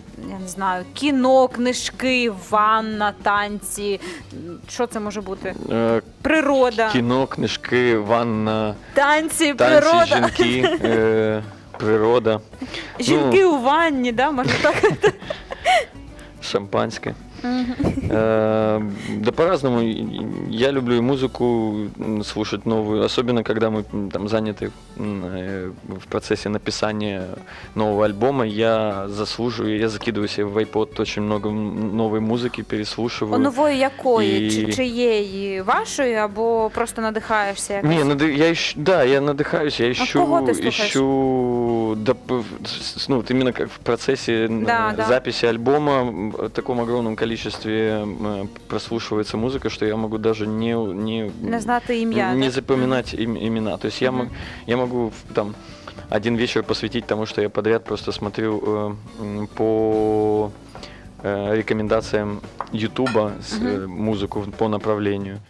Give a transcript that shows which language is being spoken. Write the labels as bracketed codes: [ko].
[uk] Я не знаю, кіно, книжки, ванна, танці. Що це може бути? Природа. Кіно, книжки, ванна. Танці, природа. Танці, жінки, природа. Жінки, ну, у ванні, да, може так? Шампанське. [ru] Да по-разному. Я люблю музыку слушать новую, особенно когда мы там заняты в процессе написания нового альбома. Я заслуживаю, я закидываю себе в iPod очень много новой музыки, переслушиваю. [uk] О, новой якої? Чиєї? Вашої або просто надихаєшся? Ні, я надихаюсь, [ru] я ищу. А кого ты слушаешь? Ищу, ну, вот именно как в процессе записи альбома в таком огромном количестве прослушивается музыка, что я могу даже не [uk] знати ім'я, [ru] не запоминать имена. То есть я могу там один вечер посвятить тому, что я подряд просто смотрю по рекомендациям Ютуба музыку по направлению.